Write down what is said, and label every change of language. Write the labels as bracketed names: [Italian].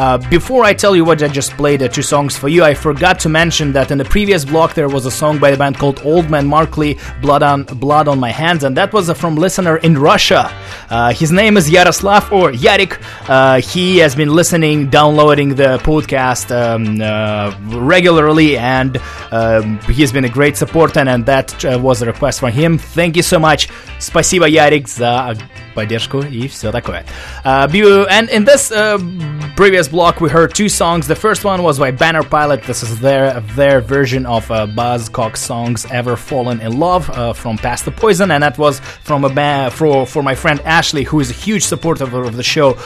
[English] Before I tell you what I just played, two songs for you, I forgot to mention that in the previous block there was a song by the band called Old Man Markley, Blood on My Hands, and that was from listener in Russia. His name is Yaroslav, or Yarik. He has been listening, downloading the podcast regularly, and he's been a great supporter, and that was a request from him. Thank you so much. [Russian] Спасибо, Ярик, за поддержку и все такое. [English] And in this previous block, we heard two songs. The first one was by Banner Pilot. This is their version of Buzzcocks' songs Ever Fallen in Love from Past the Poison, and that was from a for my friend Ashley, who is a huge supporter of the show.